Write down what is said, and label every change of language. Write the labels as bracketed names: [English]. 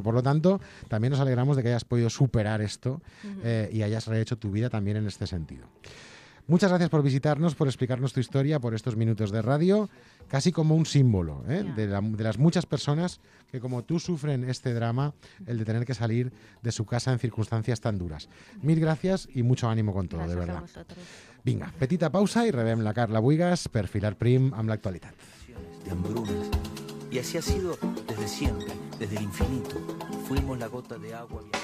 [Spanish] Por lo tanto, también nos alegramos de que hayas podido superar esto y hayas rehecho tu vida también en este sentido. Muchas gracias por visitarnos, por explicarnos tu historia, por estos minutos de radio, casi como un símbolo de las muchas personas que, como tú, sufren este drama, el de tener que salir de su casa en circunstancias tan duras. Mil gracias y mucho ánimo con todo, gracias de verdad. Gracias a vosotros. [Catalan] Vinga, petita pausa i rebem la Carla Buigas, Perfilar Prim, amb l'actualitat. [Spanish] De hambrunas. Y así ha sido desde siempre, desde el infinito. Fuimos la gota de agua.